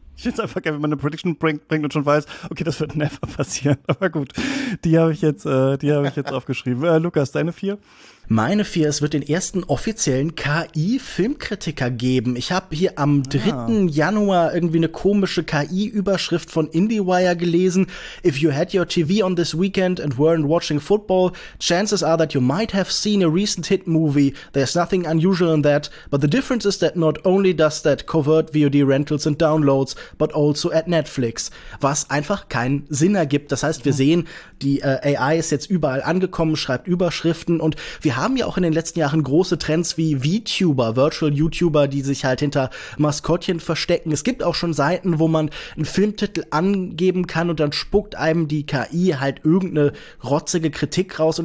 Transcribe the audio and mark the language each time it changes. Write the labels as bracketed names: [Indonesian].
[German] Ich finde es einfach geil, wenn man eine Prediction bringt und schon weiß, okay, das wird never passieren. Aber gut, die habe ich jetzt, aufgeschrieben. Lukas, deine 4? Meine 4, es wird den ersten offiziellen KI-Filmkritiker geben. Ich habe hier am 3. Januar irgendwie eine komische KI-Überschrift von IndieWire gelesen. [English] If you had your TV on this weekend and weren't watching football, chances are that you might have seen a recent hit movie. There's nothing unusual in that. But the difference is that not only does that covert VOD rentals and downloads, but also at Netflix. [German] Was einfach keinen Sinn ergibt. Das heißt, wir sehen, die AI ist jetzt überall angekommen, schreibt Überschriften und wir haben ja auch in den letzten Jahren große Trends wie VTuber, Virtual YouTuber, die sich halt hinter Maskottchen verstecken. Es gibt auch schon Seiten, wo man einen Filmtitel angeben kann und dann spuckt einem die KI halt irgendeine rotzige Kritik raus.